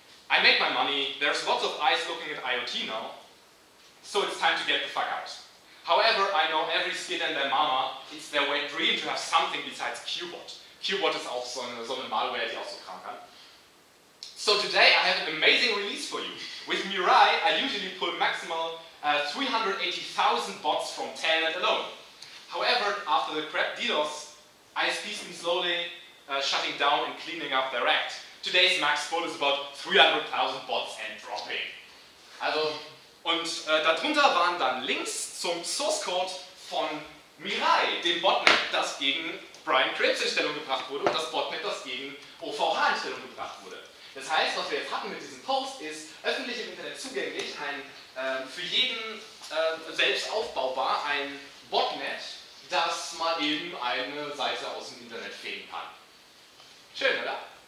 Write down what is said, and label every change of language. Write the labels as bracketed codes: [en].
[en] I made my money, there's lots of eyes looking at IoT now, so it's time to get the fuck out. However, I know every kid and their mama, it's their way dream to have something besides Qbot. [de] Qbot ist auch so eine Malware, die auch so kram kann. [en] So today I have an amazing release for you. With Mirai, I usually pull maximal 380,000 bots from Telnet alone. However, after the crap DDoS, ISPs been slowly shutting down and cleaning up their act. Today's max pull is about 300,000 bots and dropping. [de] Also, und darunter waren dann Links zum Source Code von Mirai, dem Botnet, das gegen Brian Cripps in Stellung gebracht wurde und das Botnet, das gegen OVH in Stellung gebracht wurde. Das heißt, was wir jetzt hatten mit diesem Post, ist öffentlich im Internet zugänglich, ein für jeden selbst aufbaubar, ein Botnet, das mal eben eine Seite aus dem Internet fegen kann. Schön, oder?